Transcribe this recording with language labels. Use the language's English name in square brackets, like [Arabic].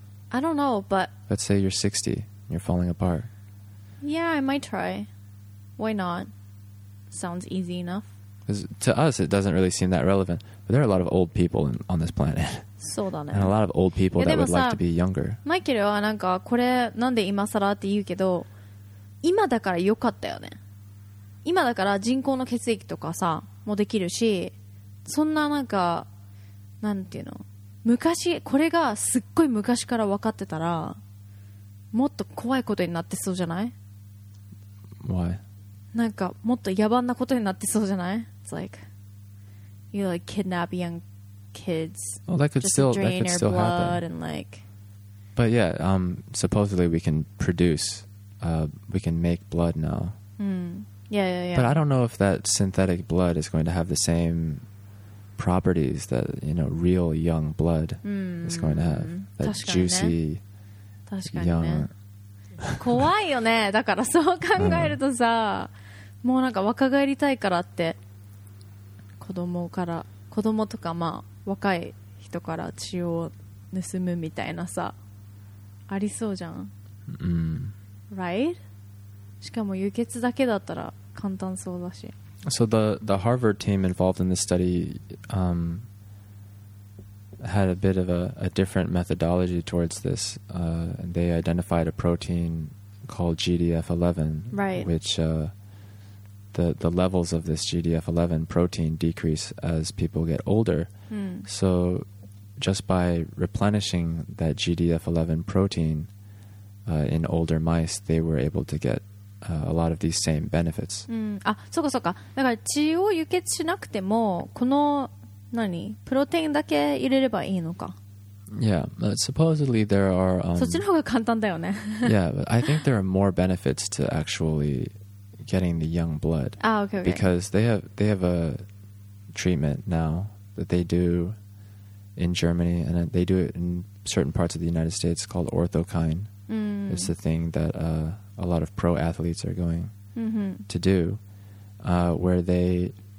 [English] I don't know, but... Let's say you're 60, and you're falling apart. Yeah, I might try. Why not? Sounds easy enough. To us, it doesn't really seem that relevant. But there are a lot of old people on this planet. [Japanese] そうだね。 [English] And a lot of old people that would like to be younger. [Japanese] マイケルはなんかこれなんで今更って言うけど、今だから良かったよね。今だから人工の血液とかさもできるし、そんななんかなんていうの、昔これがすっごい昔から分かってたら、もっと怖いことになってそうじゃない？ [English] Why? [Japanese] なんかもっと野蛮なことになってそうじゃない [English] It's like you like kidnap young kids. Well, that could still that could still happen. And like, but yeah, supposedly we can produce, we can make blood now. Yeah. But I don't know if that synthetic blood is going to have the same properties that you know real young blood is going to have. That juicy, young. [Japanese] 怖いよね。だからそう考えるとさ、もうなんか若返りたいからって子供から子供とかまあ若い人から血を盗むみたいなさありそうじゃん。 [English] Right? [Japanese] しかも輸血だけだったら簡単そうだし。 [English] So the Harvard team involved in this study had a bit of a different methodology towards this. They identified a protein called GDF11, right. Which the levels of this GDF11 protein decrease as people get older. So just by replenishing that GDF11 protein in older mice, they were able to get a lot of these same benefits. [Japanese] あ、そうかそうか。だから血を輸血しなくてもこの何プロテインだけ入れればいいのか。 [English] Yeah, but supposedly there are. [Japanese] そっちの方が簡単だよね。 [English] Yeah, but I think there are more benefits to actually getting the young blood. Ah, okay, okay. Because they have a treatment now that they do in Germany and they do it in certain parts of the United States called Orthokine. It's the thing that a lot of pro athletes are going to do, where they.